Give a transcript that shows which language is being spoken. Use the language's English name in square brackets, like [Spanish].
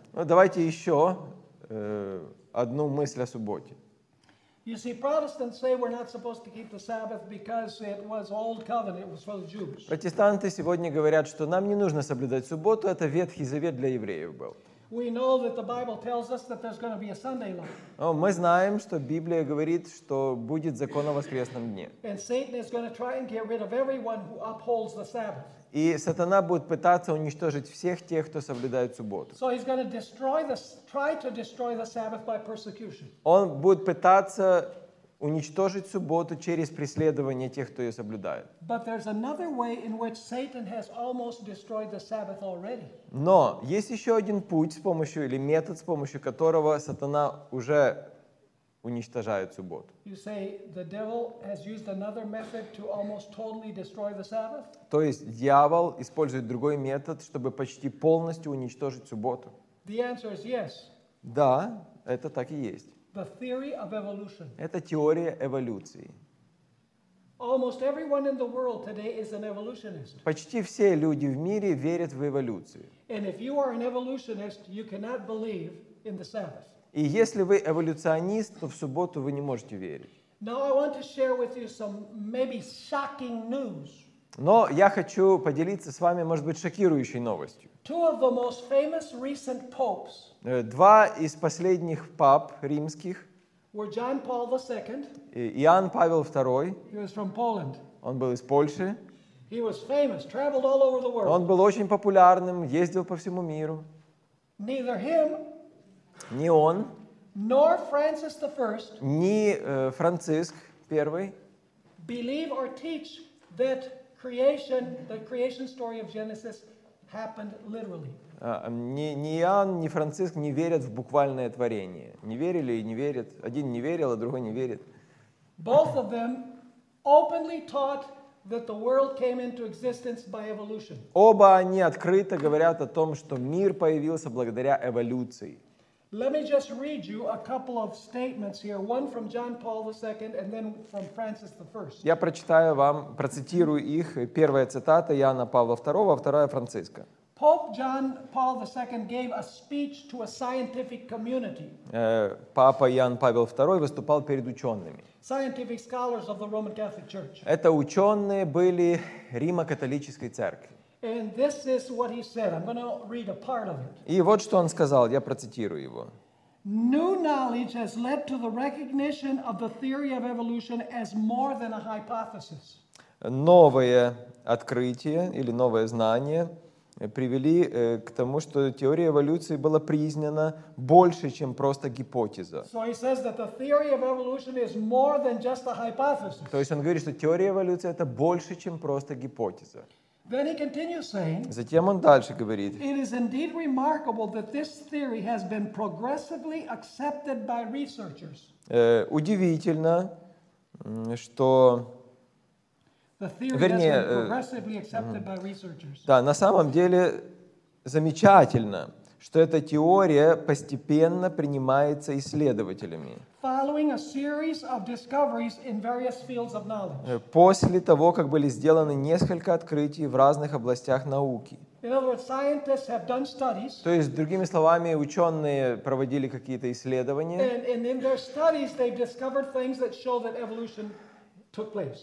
[Russian] Ну, давайте еще одну мысль о субботе. [English] You see, Protestants say we're not supposed to keep the Sabbath because it was old covenant, it was for the Jews. [Russian] Протестанты сегодня говорят, что нам не нужно соблюдать субботу, это Ветхий Завет для евреев был. [English] We know that the Bible tells us that there's going to be a Sunday law. [Russian] Мы знаем, что Библия говорит, что будет закон о воскресном дне. [English] And Satan is going to try and get rid of everyone who upholds the Sabbath. [Russian] И сатана будет пытаться уничтожить всех тех, кто соблюдает субботу. [English] So he's going to try to destroy the Sabbath by persecution. [Russian] Он будет пытаться уничтожить субботу через преследование тех, кто ее соблюдает. [English] But there's another way in which Satan has almost destroyed the Sabbath already. [Russian] Но есть еще один путь с помощью или метод, с помощью которого сатана уже уничтожает субботу. [English] You say the devil has used another method to almost totally destroy the Sabbath? [Russian] То есть дьявол использует другой метод, чтобы почти полностью уничтожить субботу? [English] The answer is yes. [Russian] Да, это так и есть. [English] The theory of evolution. [Russian] Это теория эволюции. [English] Almost everyone in the world today is an evolutionist. [Russian] Почти все люди в мире верят в эволюцию. [English] And if you are an evolutionist, you cannot believe in the Sabbath. [Russian] И если вы эволюционист, то в субботу вы не можете верить. [English] Now I want to share with you some maybe shocking news. [Russian] Но я хочу поделиться с вами, может быть, шокирующей новостью. [English] Two of the most famous recent popes. [Russian] Два из последних пап римских. [English] Were John Paul II. [Russian] Иоанн Павел II. [English] He was from Poland. [Russian] Он был из Польши. [English] He was famous, traveled all over the world. [Russian] Он был очень популярным, ездил по всему миру. [English] Neither him. [Russian] Не он. [English] Nor Francis I. [Russian] Ни Франциск I. [English] Believe or teach that creation, the creation story of Genesis. Happened literally. [Russian] Ни Иоанн, ни Франциск не верят в буквальное творение. Не верили и не верят. Один не верил, а другой не верит. [English] Both of them openly taught that the world came into existence by evolution. [Russian] Оба они открыто говорят о том, что мир появился благодаря эволюции. [English] Let me just read you a couple of statements here, one from John Paul II and then from Francis I. [Russian] Я прочитаю вам, процитирую их. Первая цитата Иоанна Павла II, а вторая Франциска. [English] Pope John Paul II gave a speech to a scientific community. [Russian] Папа Иоанн Павел II выступал перед учеными. [English] Scientific scholars of the Roman Catholic Church. [Russian] Это ученые были Римо-католической церкви. [English] And this is what he said. I'm going to read a part of it. [Russian] И вот что он сказал, я процитирую его. [English] New knowledge has led to the recognition of the theory of evolution as more than a hypothesis. [Russian] Новое открытие или новое знание привели к тому, что теория эволюции была признана больше, чем просто гипотеза. [English] So he says that the theory of evolution is more than just a hypothesis. [Russian] То есть он говорит, что теория эволюции это больше, чем просто гипотеза. [English] Then he continues saying, [Russian] затем он дальше говорит, [English] it is indeed remarkable that this theory has been progressively accepted by researchers. [Russian] Удивительно, что [English] the theory [Russian] вернее, [English] has been progressively accepted by researchers. [Russian] Да, на самом деле замечательно, что эта теория постепенно принимается исследователями. [English] Following a series of discoveries in various fields of knowledge. [Russian] После того, как были сделаны несколько открытий в разных областях науки. [English] In other words, scientists have done studies. [Russian] То есть, другими словами, ученые проводили какие-то исследования. [English] And in their studies, they've discovered things that show that evolution took place.